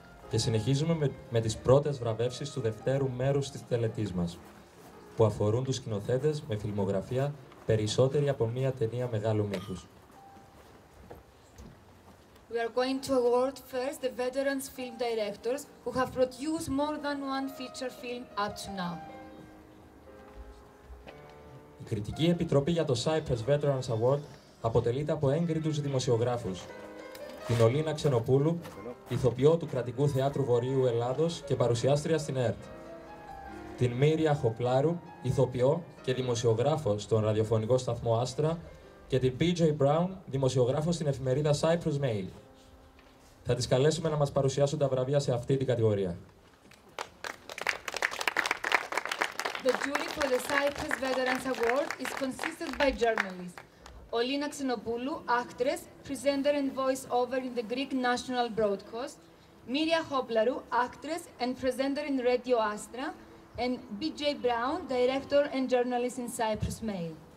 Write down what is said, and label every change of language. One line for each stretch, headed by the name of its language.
Greek: Και συνεχίζουμε με τις πρώτες βραβεύσεις του δευτέρου μέρους της τελετής μας, που αφορούν τους σκηνοθέτες με φιλμογραφία περισσότερη από μία ταινία μεγάλου μήκους.
English: We are going to award first the veterans film directors who have produced more than one feature film up to now.
Greek: Η κριτική επιτροπή για το Cyprus Veterans Award αποτελείται από έγκριτους δημοσιογράφους, την Ολίνα Ξενοπούλου, ηθοποιό του Κρατικού Θεάτρου Βορείου Ελλάδος και παρουσιάστρια στην ΕΡΤ. Την Μύρια Χοπλάρου, ηθοποιό και δημοσιογράφο στον ραδιοφωνικό σταθμό Άστρα και την PJ Brown, δημοσιογράφο στην εφημερίδα Cyprus Mail. Θα τις καλέσουμε να μας παρουσιάσουν τα βραβεία σε αυτή την κατηγορία.
English: The jury for the Cyprus Veterans Award is consisted by journalists. Ολίνα Ξενοπούλου, actress, presenter and voice-over in the Greek National Broadcast, Μύρια Χόπλαρου, actress and presenter in Radio Astra, and BJ Brown, director and journalist in Cyprus Mail.